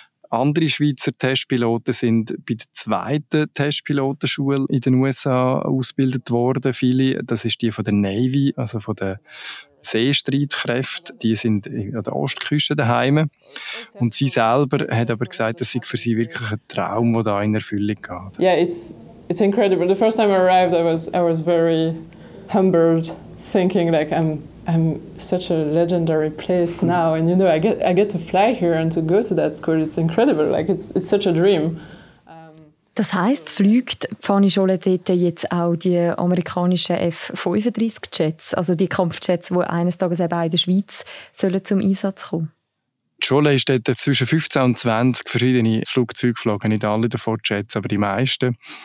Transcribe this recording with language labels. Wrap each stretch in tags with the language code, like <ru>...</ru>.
<de>Andere Schweizer Testpiloten sind bei der zweiten Testpilotenschule in den USA ausgebildet worden. Viele, das ist die von der Navy, also von der Seestreitkräfte, die sind an der Ostküste daheim. Und sie selber hat aber gesagt, das sei für sie wirklich ein Traum, der da in Erfüllung geht.</de> <en>Yeah, it's incredible. The first time I arrived, I was very humbled, thinking like I'm such a legendary place now, and you know I get to fly here and to go to that school. It's incredible. Like it's such a dream.</en> <de>Das heisst, fliegt Fanny Scholle dort jetzt auch die amerikanischen F-35-Jets, also die Kampfjets, die eines Tages eben auch in der Schweiz sollen zum Einsatz kommen? Scholle ist dort zwischen 15 und 20 verschiedene Flugzeuge geflogen, nicht alle davor geschätzt, aber die meisten.</de>